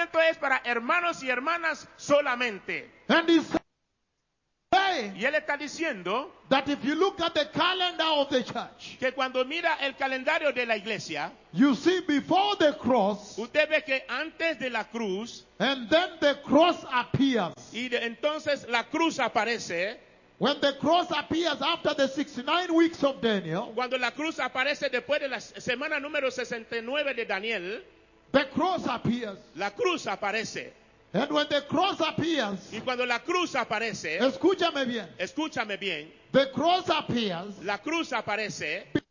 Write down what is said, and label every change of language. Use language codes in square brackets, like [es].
[es] Es para hermanos y hermanas solamente. [en] And he's saying, [es] y él está diciendo [en] that if you look at the calendar of the church, [es] que cuando mira el calendario de la iglesia, [en] you see before the cross, [es] usted ve que antes de la cruz, [en] and then the cross appears. [es] Y de, entonces la cruz aparece. [en] When the cross appears after the 69 weeks of Daniel, [es] cuando la cruz aparece después de la semana número 69 de Daniel, [en] the cross appears. [es] La cruz aparece. [en] And when the cross appears. [es] Y cuando la cruz aparece. Escúchame bien. Escúchame bien. [en] The cross appears. [es] La cruz aparece.